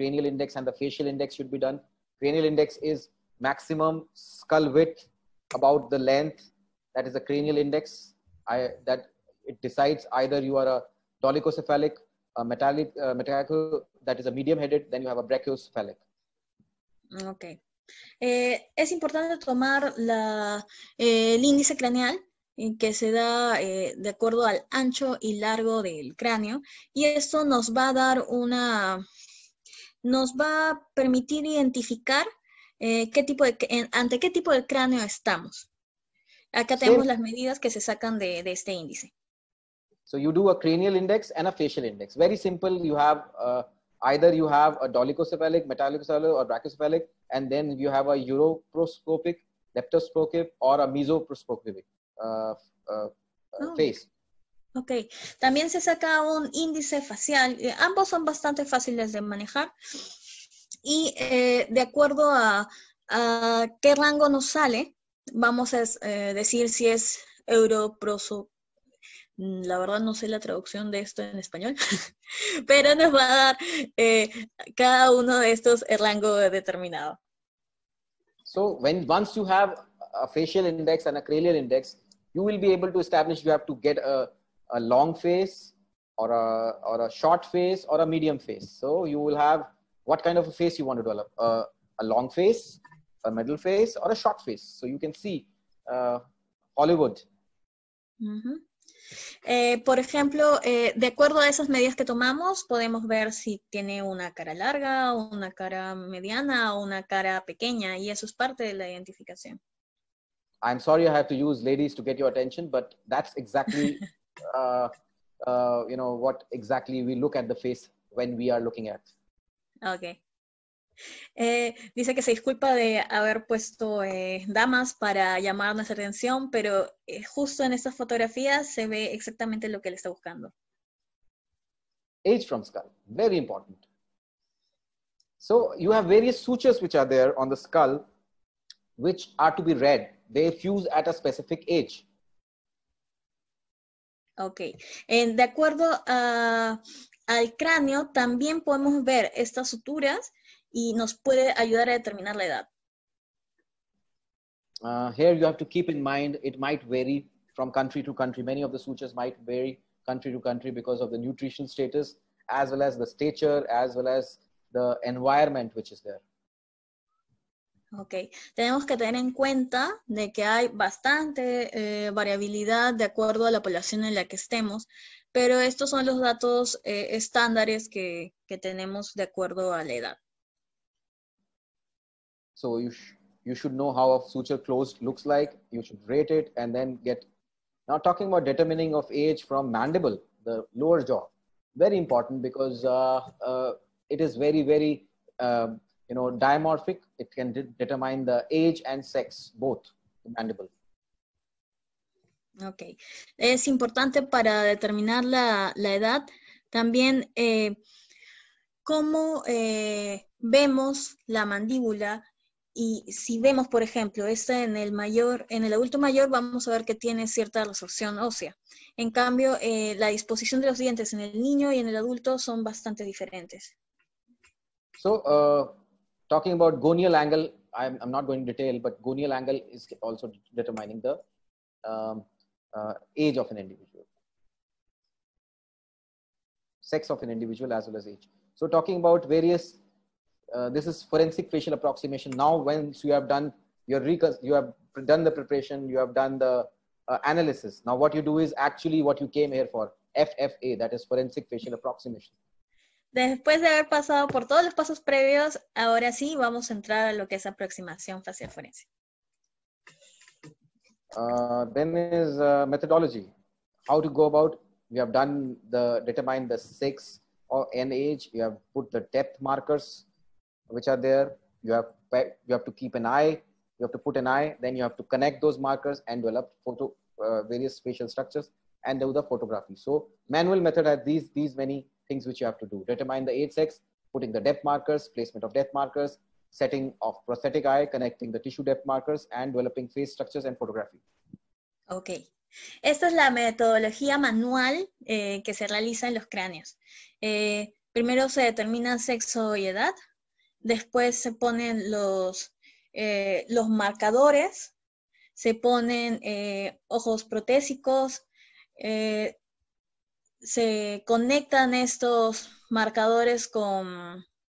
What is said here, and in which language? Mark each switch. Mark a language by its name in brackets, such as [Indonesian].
[English] Cranial index and the facial index should be done. Cranial index is maximum skull width about the length. That is a cranial index. That it decides either you are a dolichocephalic, a metallic, that is a medium-headed, then you have a brachiocephalic. Okay. [Spanish] Es importante tomar el índice craneal que se da de acuerdo al ancho y largo del cráneo y esto nos va a dar nos va a permitir identificar ante qué tipo de cráneo estamos. Acá tenemos las medidas que se sacan de este índice. [English] So you do a cranial index and a facial index. Very simple. You have either you have a dolichocephalic, metallicocephalic, or brachiocephalic, and then you have a uroproscopic, leptoscopic, or a mesoproscopic face. [Spanish] Ok, también se saca un índice facial. Ambos son bastante fáciles de manejar. Y de acuerdo a qué rango nos sale, vamos a decir si es europroso. La verdad no sé la traducción de esto en español, pero nos va a dar cada uno de estos el rango determinado. [English] So when once you have a facial index and a cranial index, you will be able to establish you have to get a long face or a short face or a medium face. So you will have what kind of a face you want to develop, a long face, a middle face or a short face. So you can see Hollywood. [Spanish] Por ejemplo, de acuerdo a esas medidas que tomamos, podemos ver si tiene una cara larga, una cara mediana o una cara pequeña, y eso es parte de la identificación. [English] I'm sorry I have to use ladies to get your attention, but that's exactly what exactly we look at the face when we are looking at. Okay. [Spanish] Dice que se disculpa de haber puesto damas para llamar nuestra atención, pero justo en estas fotografías se ve exactamente lo que él está buscando. [English] Age from skull, very important. So you have various sutures which are there on the skull, which are to be read. They fuse at a specific age. Okay. [Spanish] De acuerdo al cráneo, también podemos ver estas suturas. Y nos puede ayudar a determinar la edad. [English] Here you have to keep in mind, it might vary from country to country. Many of the sutures might vary country to country because of the nutrition status, as well as the stature, as well as the environment which is there. Okay. [Spanish] Tenemos que tener en cuenta de que hay bastante variabilidad de acuerdo a la población en la que estemos, pero estos son los datos estándares que tenemos de acuerdo a la edad. [English] So you should know how a suture closed looks like. You should rate it and then get. Now talking about determining of age from mandible, the lower jaw, very important because it is very, very, dimorphic. It can determine the age and sex, both the mandible. [Spanish] Okay. Es importante para determinar la edad. También, cómo vemos la mandíbula. Y si vemos, por ejemplo, esta en el adulto mayor, vamos a ver que tiene cierta resorción ósea. En cambio, la disposición de los dientes en el niño y en el adulto son bastante diferentes. [English] So, talking about gonial angle, I'm not going into detail, but gonial angle is also determining the age of an individual. Sex of an individual as well as age. So, talking about various... this is forensic facial approximation. Now, once you have done your done the preparation, you have done the analysis. Now, what you do is actually what you came here for, FFA, that is forensic facial approximation. [Spanish] Después de haber pasado por todos los pasos previos, ahora sí vamos a entrar a lo que es aproximación facial forense. [English] Then is methodology. How to go about, you have done the, determine the sex or an age, you have put the depth markers, which are there, you have to keep an eye, you have to put an eye, then you have to connect those markers and develop photo various facial structures and do the photography. So manual method has these many things which you have to do. Determine the age, sex, putting the depth markers, placement of depth markers, setting of prosthetic eye, connecting the tissue depth markers and developing face structures and photography. Okay. [Spanish] Esta es la metodología manual que se realiza en los cráneos. Primero se determina sexo y edad. Después se ponen los marcadores, se ponen ojos protésicos, se conectan estos marcadores con...